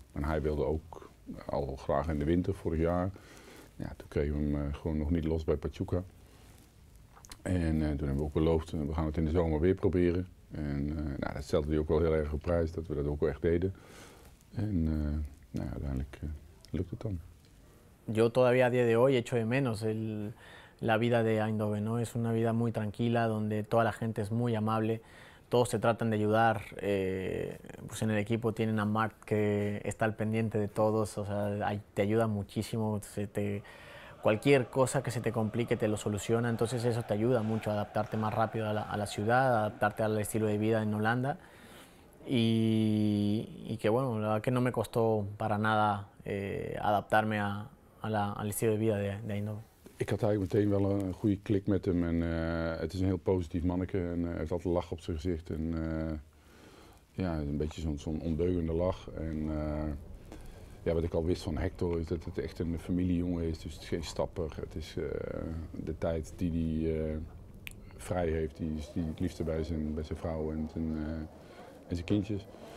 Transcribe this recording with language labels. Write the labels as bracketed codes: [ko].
[nl] En hij wilde ook al graag in de winter vorig jaar. Ja, toen kregen we hem gewoon nog niet los bij Pachuca. En toen hebben we ook beloofd, we gaan het in de zomer weer proberen. En dat stelde hij ook wel heel erg op prijs, dat we dat ook wel echt deden. En uiteindelijk lukt het dan. [es] Yo todavía a día de hoy echo de menos la vida de Eindhoven, ¿no? Es una vida muy tranquila, donde toda la gente es muy amable, todos se tratan de ayudar, pues en el equipo tienen a Mark que está al pendiente de todos, o sea, te ayuda muchísimo, cualquier cosa que se te complique te lo soluciona, entonces eso te ayuda mucho a adaptarte más rápido a la ciudad, a adaptarte al estilo de vida en Holanda. Y que bueno, la verdad que no me costó para nada adaptarme al estilo de vida de Eindhoven. [nl] Ik had eigenlijk meteen wel een goede klik met hem en het is een heel positief manneke en hij heeft altijd een lach op zijn gezicht en ja, een beetje zo'n ondeugende lach. En ja, wat ik al wist van Hector is dat het echt een familiejongen is, dus het is geen stapper. Het is de tijd die hij vrij heeft, die het liefste bij zijn vrouw en zijn kindjes.